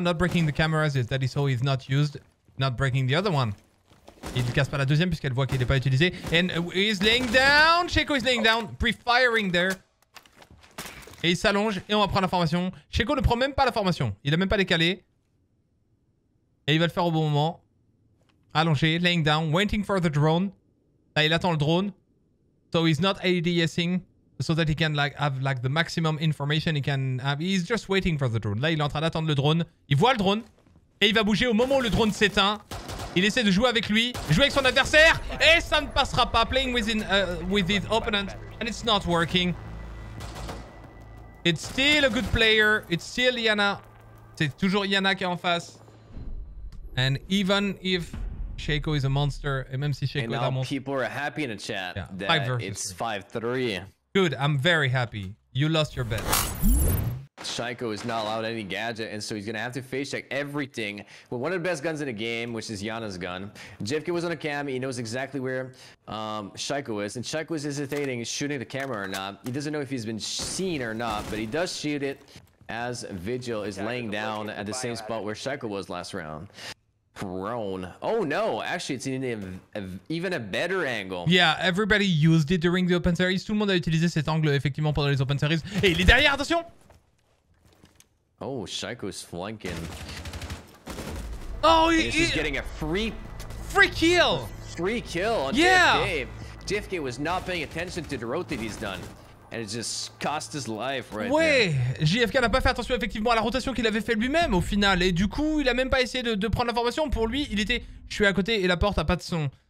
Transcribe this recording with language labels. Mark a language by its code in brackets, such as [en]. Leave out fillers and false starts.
[en] Not breaking the cameras is that he saw he's not used. Not breaking the other one. [fr] Il casse pas la deuxième puisqu'elle voit qu'il n'est pas utilisé. [en] And he's laying down. SHAIIKO is laying down. Pre-firing there. [fr] Et il s'allonge et on va prendre la formation. SHAIIKO ne prend même pas la formation. Il n'a même pas décalé. Et il va le faire au bon moment. Allongé, [en] laying down, waiting for the drone. [fr] Là, il attend le drone. [en] So he's not ADSing so that he can like have like the maximum information he can have. He's just waiting for the drone. [fr] Là, il est en train d'attendre le drone. Il voit le drone et il va bouger au moment où le drone s'éteint. Il essaie de jouer avec lui, jouer avec son adversaire et ça ne passera pas. [en] Playing with his opponent and it's not working. It's still a good player. It's still Yana. [fr] C'est toujours Yana qui est en face. [en] And even if SHAIIKO is a monster, [fr] et même si SHAIIKO est un monstre. [en] People are happy in the chat. Yeah. That five versus it's 5-3. Good, I'm very happy. You lost your bet. SHAIIKO is not allowed any gadget, and so he's gonna have to face check everything with one of the best guns in the game, which is Yana's gun. JFK was on a cam, he knows exactly where SHAIIKO is, and SHAIIKO is hesitating, shooting the camera or not. He doesn't know if he's been seen or not, but he does shoot it as Vigil is laying down at the same spot where SHAIIKO was last round. Prone. Oh no, actually it's in even a better angle. Yeah, everybody used it during the open series. [fr] Tout le monde a utilisé cet angle effectivement pendant les open series. Et il est derrière, attention! [en] Oh, SHAIIKO's flanking. Oh, he's just getting a free kill. Free kill on JFK. JFK was not paying attention to the rotate he's done. And it just cost his life right there. [fr] JFK n'a pas fait attention effectivement à la rotation qu'il avait fait lui-même au final. Et du coup, il a même pas essayé de prendre l'information. Pour lui, il était... Je suis à côté et la porte a pas de son.